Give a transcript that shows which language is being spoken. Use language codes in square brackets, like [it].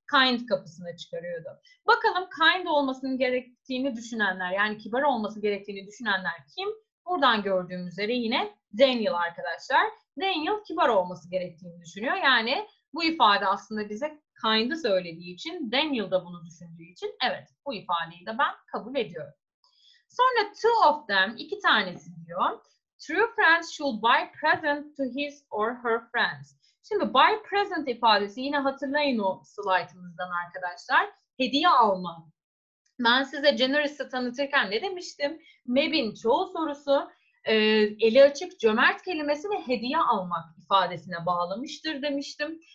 [tr] Kind kapısına çıkarıyordu. Bakalım kind olmasının gerektiğini düşünenler, yani kibar olması gerektiğini düşünenler kim? Buradan gördüğümüz üzere yine Daniel arkadaşlar. Daniel kibar olması gerektiğini düşünüyor. Yani bu ifade aslında bize kind'ı söylediği için, Daniel da bunu düşündüğü için evet, bu ifadeyi de ben kabul ediyorum. Sonra [en] two of them, [tr] iki tanesi diyor. [en] True friends should buy present to his or her friends. [tr] Şimdi buy present ifadesi, yine hatırlayın o slaytımızdan arkadaşlar. Hediye alma. Ben size generous'ı tanıtırken ne demiştim? Mab'in çoğu sorusu eli açık, cömert kelimesi ve hediye almak ifadesine bağlamıştır demiştim.